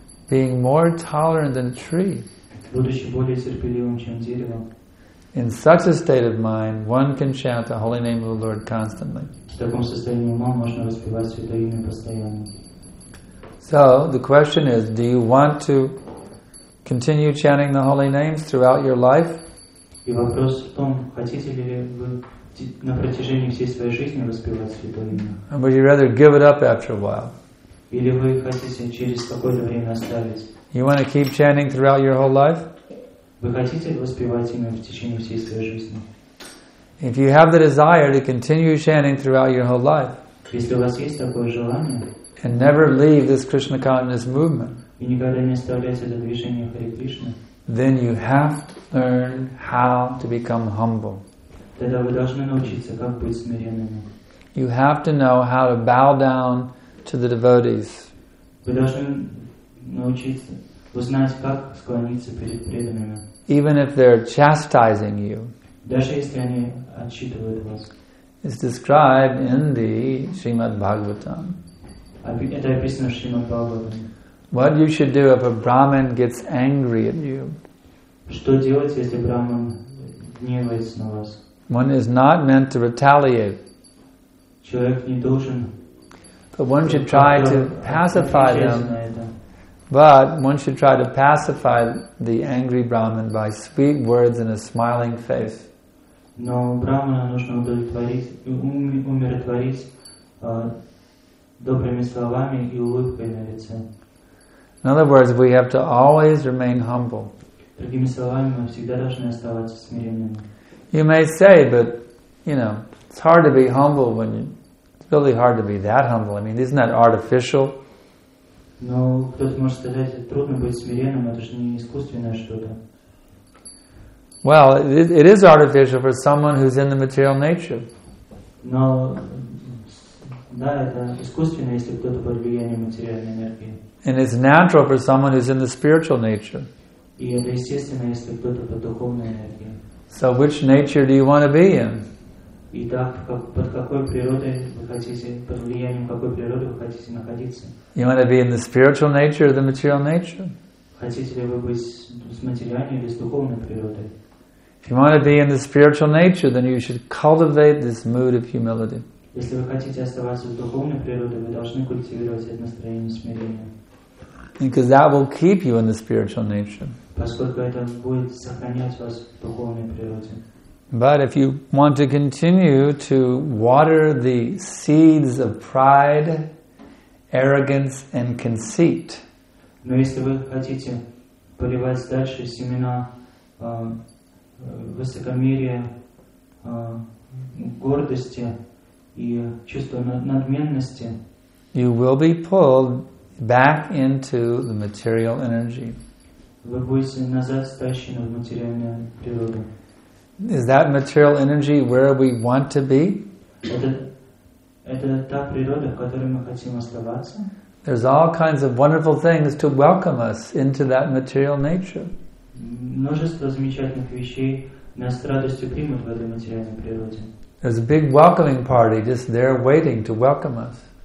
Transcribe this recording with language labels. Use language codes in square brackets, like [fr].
[en] Being more tolerant than a tree. [ru] Будучи более терпеливым, чем дерево. [en] In such a state of mind, one can chant the holy name of the Lord constantly. [ru] В таком состоянии ума можно воспевать святое имя постоянно. [en] So, the question is, do you want to continue chanting the holy names throughout your life? [ru] И вопрос в том, хотите ли вы на протяжении всей своей жизни воспевать святое имя? [en] Or would you rather give it up after a while? [ru] Или вы хотите через какое-то время оставить? [en] You want to keep chanting throughout your whole life? [ru] Вы хотите воспевать имя в течение всей своей жизни? [en] If you have the desire to continue chanting throughout your whole life, [ru] если у вас есть такое желание, [en] and never leave this Krishna consciousness movement, [ru] и никогда не оставлять это движение Харе Кришны, [en] then you have to learn how to become humble. [ru] Тогда вы должны научиться, как быть смиренными. [en] You have to know how to bow down to the devotees. [ru] Вы должны научиться узнать, как склониться перед преданными. [en] Even if they're chastising you. [ru] Даже если они отчитывают вас. [en] It's described in the Srimad Bhagavatam. [ru] Это описано в Шримад Бхагаватам. [en] What you should do if a Brahmin gets angry at you. [ru] Что делать, если Брахман гневается на вас? [en] One is not meant to retaliate. [ru] Человек не должен. [en] But one should try to pacify them. But one should try to pacify the angry Brahmin by sweet words and a smiling face. [ru] Но Брахмана нужно умиротворить добрыми словами и улыбкой на лице. [en] In other words, we have to always remain humble. [ru] Другими словами, мы всегда должны оставаться смиренными. [en] You may say, but you know, it's hard to be humble when it's really hard to be that humble. I mean, isn't that artificial? [ru] Но кто-то может сказать, трудно быть смиренным, это же не искусственное что-то. [en] Well, it is artificial for someone who's in the material nature. [ru] Но да, это искусственно, если кто-то под влиянием материальной энергии. [en] And it's natural for someone who's in the spiritual nature. [ru] И это естественно, если кто-то под духовной энергией. [en] So which nature do you want to be in? [ru] Итак, под какой природой вы хотите, под влиянием какой природы вы хотите находиться? [en] You want to be in the spiritual nature or the material nature? [ru] Хотите ли вы быть с материальной или с духовной природой? [en] If you want to be in the spiritual nature, then you should cultivate this mood of humility. [ru] Если вы хотите оставаться в духовной природе, вы должны культивировать это настроение смирения. [en] Because that will keep you in the spiritual nature. [ru] Поскольку это будет сохранять вас в духовной природе. [en] But if you want to continue to water the seeds of pride, arrogance, and conceit, [ru] Но если вы хотите поливать дальше семена высокомерия, гордости и чувства надменности, [en] you will be pulled back into the material energy. [ru] Вы будете назад стащены в материальную природу. [en] Is that material energy where we want to be? [ru] Это та природа, в которой мы хотим оставаться. [en] There's all kinds of wonderful things to welcome us into that material nature. [ru] Множество замечательных вещей нас с радостью примут в этой материальной природе. [en] There's a big welcoming party just there waiting to welcome us.